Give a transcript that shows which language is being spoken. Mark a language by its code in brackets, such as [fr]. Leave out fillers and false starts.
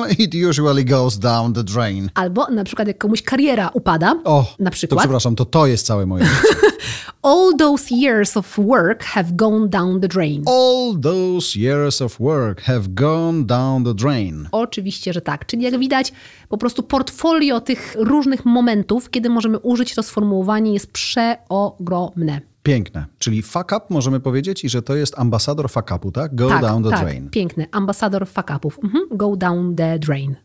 [en] It usually goes down the drain. [pl] Albo na przykład jak komuś kariera upada. [en] Oh, [pl] na przykład. To przepraszam, to jest całe moje życie. [en] All those years of work have gone down the drain. All those years of work have gone down the drain. [pl] Oczywiście, że tak. Czyli jak widać, po prostu portfolio tych różnych momentów, kiedy możemy użyć to sformułowanie, jest przeogromne. Piękne. Czyli fuck up możemy powiedzieć i że to jest ambasador fuck upu, tak? [en] Go [pl] tak, [en] down the [pl] tak. [en] drain. [pl] Piękne. Ambasador fuck upów. Mhm. [en] Go down the drain.